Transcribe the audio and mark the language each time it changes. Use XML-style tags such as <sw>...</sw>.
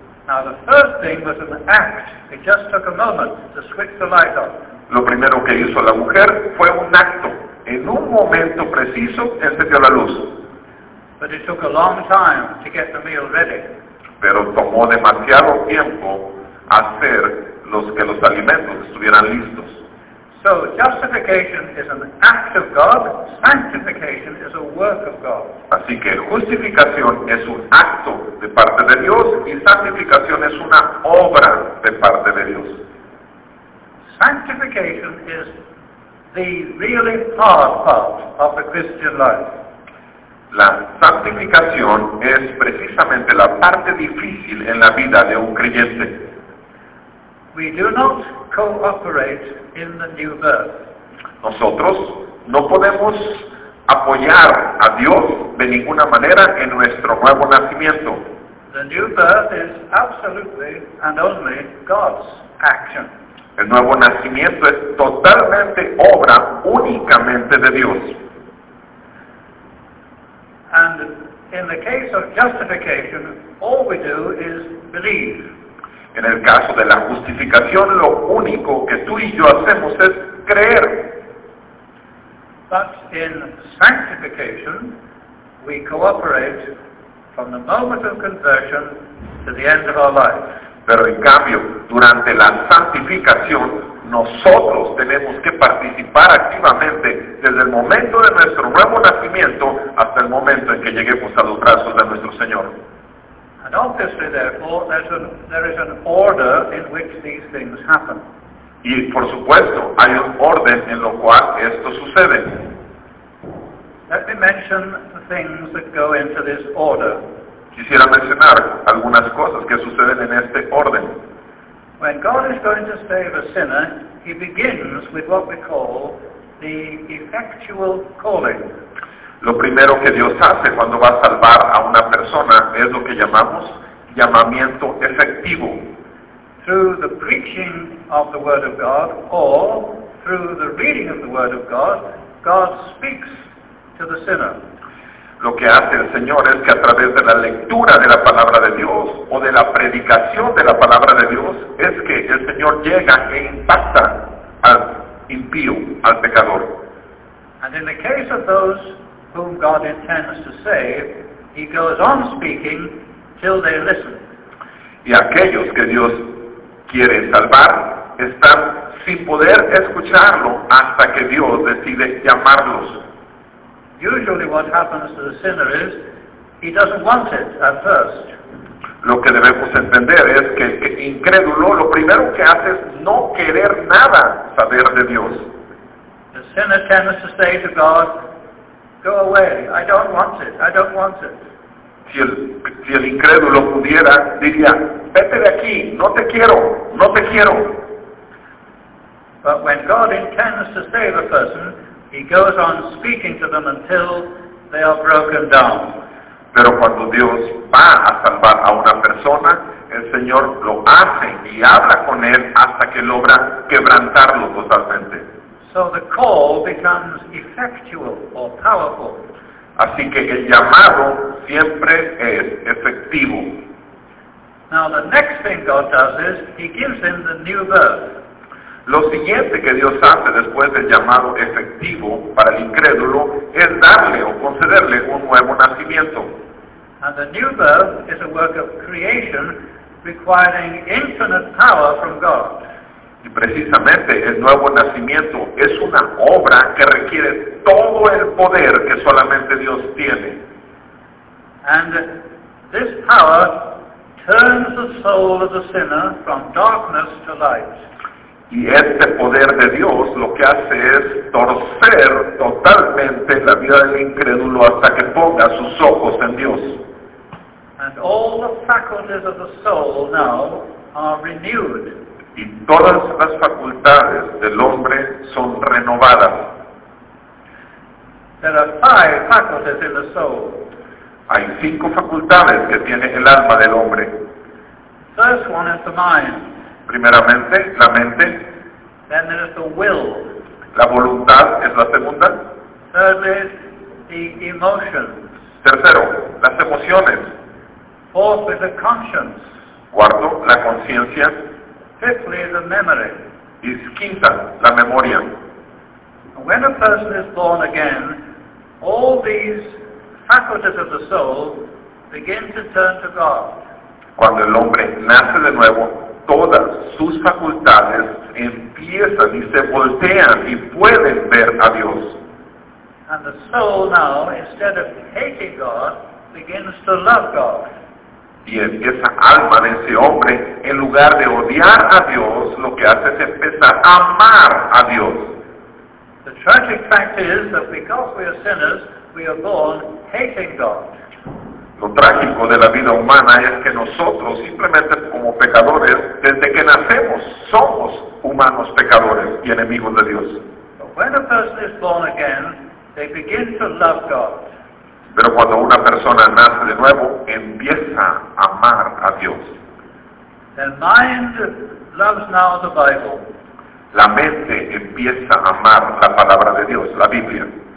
<en>Now the first thing was an act. It just took a moment to switch the light on.</en> <es>Lo primero que hizo la mujer fue un acto. En un momento preciso, encendió la luz.</es> <en>But it took a long time to get the meal ready.</en> <es>Pero tomó demasiado tiempo hacer que los alimentos estuvieran listos.</es> <en>So justification is an act of God, sanctification is a work of God.</en> <es>Así que justificación es un acto de parte de Dios y santificación es una obra de parte de Dios.</es> <en>Sanctification is the really hard part of the Christian life.</en> <es>La santificación es precisamente la parte difícil en la vida de un creyente.</es> <en>We do not cooperate in the new birth.</en> <es>Nosotros no podemos apoyar a Dios de ninguna manera en nuestro nuevo nacimiento.</es> <en>The new birth is absolutely and only God's action.</en> <es>El nuevo nacimiento es totalmente obra únicamente de Dios.</es> <en>And in the case of justification, all we do is believe.</en> <es>En el caso de la justificación, lo único que tú y yo hacemos es creer.</es> <en>But in sanctification, we cooperate from the moment of conversion to the end of our life.</en> <es>Pero en cambio, durante la santificación, nosotros tenemos que participar activamente desde el momento de nuestro nuevo nacimiento hasta el momento en que lleguemos a los brazos de nuestro Señor.</es> <en>And obviously, therefore, there is an order in which these things happen.</en> <es>Y por supuesto, hay un orden en lo cual esto sucede.</es> <en>Let me mention the things that go into this order.</en> <es>Quisiera mencionar algunas cosas que suceden en este orden.</es> <en>When God is going to save a sinner, he begins with what we call the effectual calling.</en> <es>Lo primero que Dios hace cuando va a salvar a una persona es lo que llamamos llamamiento efectivo.</es> <en>Through the preaching of the Word of God, or through the reading of the Word of God, God speaks to the sinner.</en> <es>Lo que hace el Señor es que a través de la lectura de la palabra de Dios o de la predicación de la palabra de Dios es que el Señor llega e impacta al impío, al pecador.</es> <en>And in the case of those whom God intends to save, he goes on speaking till they listen.</en> <es>Y aquellos que Dios quiere salvar están sin poder escucharlo hasta que Dios decide llamarlos.</es> <en>Usually what happens to the sinner is he doesn't want it at first.</en> <es>Lo que debemos entender es que el incrédulo lo primero que hace es no querer nada saber de Dios.</es> <en>The sinner tends to say to God, go away, I don't want it, I don't want it.</en> <es>Si el incrédulo pudiera, diría, vete de aquí, no te quiero, no te quiero.</es> <en>But when God intends to save a person, he goes on speaking to them until they are broken down.</en> <es>Pero cuando Dios va a salvar a una persona, el Señor lo hace y habla con él hasta que logra quebrantarlo totalmente.</es> <en>So the call becomes effectual or powerful.</en> <es>Así que el llamado siempre es efectivo.</es> <en>Now the next thing God does is he gives him the new birth.</en> <es>Lo siguiente que Dios hace después del llamado efectivo para el incrédulo es darle o concederle un nuevo nacimiento.</es> <en>And the new birth is a work of creation requiring infinite power from God.</en> <es>Y precisamente el nuevo nacimiento es una obra que requiere todo el poder que solamente Dios tiene.</es> <en>And this power turns the soul of the sinner from darkness to light.</en> <es>Y este poder de Dios lo que hace es torcer totalmente la vida del incrédulo hasta que ponga sus ojos en Dios.</es> <en>And all the faculties of the soul now are renewed.</en> <es>Y todas las facultades del hombre son renovadas.</es> <en>There are five faculties in the soul.</en> <es>Hay cinco facultades que tiene el alma del hombre.</es> <en>First one is the mind.</en> <es>Primeramente, la mente.</es> <en>Then there is the will.</en> <es>La voluntad es la segunda.</es> <en>Thirdly, the emotions.</en> <es>Tercero, las emociones.</es> <en>Fourthly, the conscience.</en> <es>Cuarto, la conciencia.</es> <en>Fifthly, the memory.</en> <es>Y quinta, la memoria.</es> <en>When a person is born again, all these faculties of the soul begin to turn to God.</en> <es>Cuando el hombre nace de nuevo, todas sus facultades empiezan y se voltean y pueden ver a Dios.</es> <en>And the soul now, instead of hating God, begins to love God.</en> <es>Y esa alma de ese hombre, en lugar de odiar a Dios, lo que hace es empezar a amar a Dios.</es> <en>The tragic fact is that because we are sinners, we are born hating God.</en> <es>Lo trágico de la vida humana es que nosotros, simplemente como pecadores, desde que nacemos, somos humanos pecadores y enemigos de Dios.</es> <en>But when a person is born again, They begin to love God.</en> <es>Pero cuando una persona nace de nuevo, empieza a amar a Dios.</es> <en>Their mind loves now the Bible.</en> <es>La mente empieza a amar la palabra de Dios, la Biblia.</es>